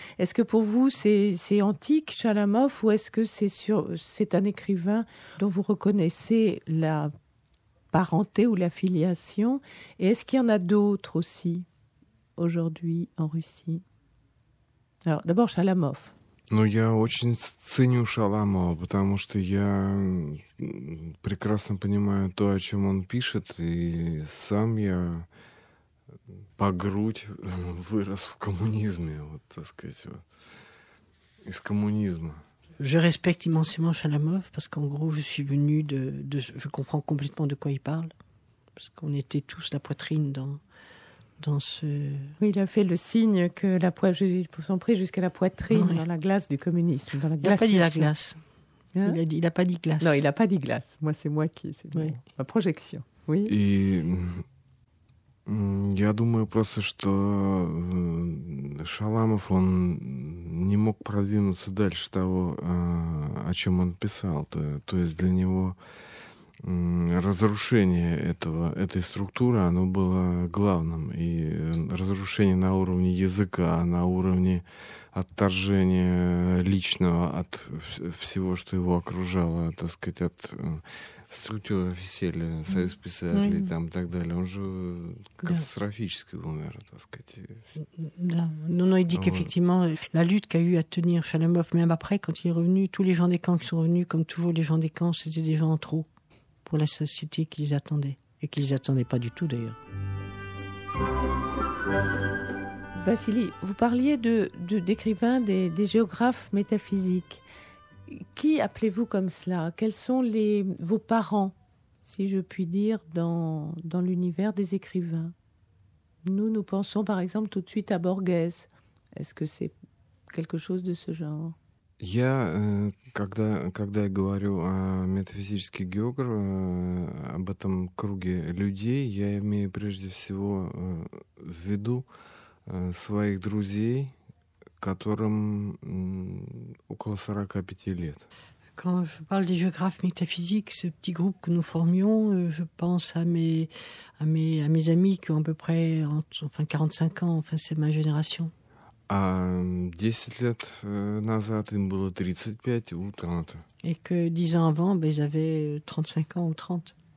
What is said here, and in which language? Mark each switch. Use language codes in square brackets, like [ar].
[fr] Est-ce que pour vous, c'est antique, Chalamov, ou est-ce que c'est un écrivain dont vous reconnaissez la... parenté ou la filiation? Et est-ce qu'il y en a d'autres aussi aujourd'hui en Russie? Alors, d'abord Chalamov. [ru] Ну, я очень ценю Шаламова, потому что я прекрасно понимаю то, о чем он пишет, и сам я по грудь вырос в коммунизме, вот, так сказать, вот, из коммунизма. [fr] Je respecte immensément Shalamov parce qu'en gros, je suis venu de. Je comprends complètement de quoi il parle. Parce qu'on était tous la poitrine dans ce. Oui, il a fait le signe que la poitrine. Ils sont pris jusqu'à la poitrine, oui. Dans la glace du communisme. Dans la il n'a pas dit la glace. Hein? Il n'a pas dit glace. Non, il n'a pas dit glace. Moi, c'est moi qui. C'est oui. Ma projection. Oui. Et. [ru] Я думаю просто, что Шаламов, он. Не мог продвинуться дальше того, о чем он писал. То есть для него разрушение этой структуры, оно было главным. И разрушение на уровне языка, на уровне отторжения личного от всего, что его окружало, так сказать, от структуры офисели, союз писателей, там и так далее. Он же катастрофически умер, так сказать. Да. [fr] Non, il dit qu'effectivement, la lutte qu'a eu à tenir Shalamov, même après, quand il est revenu, tous les gens des camps qui sont revenus, comme toujours les gens des camps, c'était des gens en trop pour la société qui les attendait. Et qui les attendait pas du tout, d'ailleurs. Vassili, vous parliez d'écrivains, des géographes métaphysiques. Qui appelez-vous comme cela? Quels sont vos parents, si je puis dire, dans l'univers des écrivains? Nous pensons par exemple tout de suite à Borges. Est-ce que c'est quelque chose de ce genre? [ru] Я, когда я говорю о метафизических географах, об этом круге людей, я имею прежде всего в виду своих друзей, которым около 45 лет. [fr] Quand je parle des géographes métaphysiques, ce petit groupe que nous formions, je pense à mes amis qui ont à peu près 45 ans, enfin c'est ma génération. [ru] А 10 лет назад им было 35 [fr] ou [ru] 30. [fr] Et que 10 ans avant, ben, ils avaient 35 ans ou 30.